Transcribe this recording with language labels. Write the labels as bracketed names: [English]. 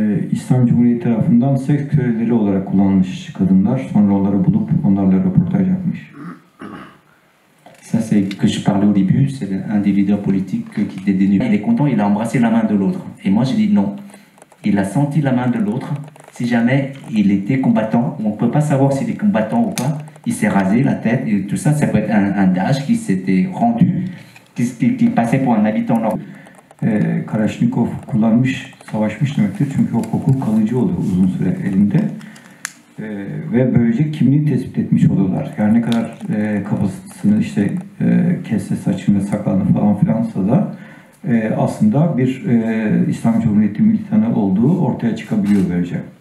[Turkish] İslam Cumhuriyeti tarafından seks köleleri olarak kullanılmış kadınlar, sonra onları bulup onlarla röportaj yapmış. [French] Ça, c'est que je parlais au début, c'est un des leaders politiques qui était dénué. Il est content, il a embrassé la main de l'autre. Et moi, j'ai dit non. Il a senti la main de l'autre. Si jamais il était combattant, on ne peut pas savoir s'il est combattant ou pas. Il s'est rasé la tête et tout ça, ça peut être un Daesh qui s'était rendu, qui passait pour un habitant normal. [Turkish] Kalashnikov kullanmış, savaşmış demektir. Çünkü o kokul kalıcı oluyor uzun süre elinde. Ve böylece kimliği tespit etmiş oluyorlar. Yani ne kadar kafasını işte kesse saçını, sakalını falan filansa da aslında bir İslam Cumhuriyeti militanı olduğu ortaya çıkabiliyor böylece.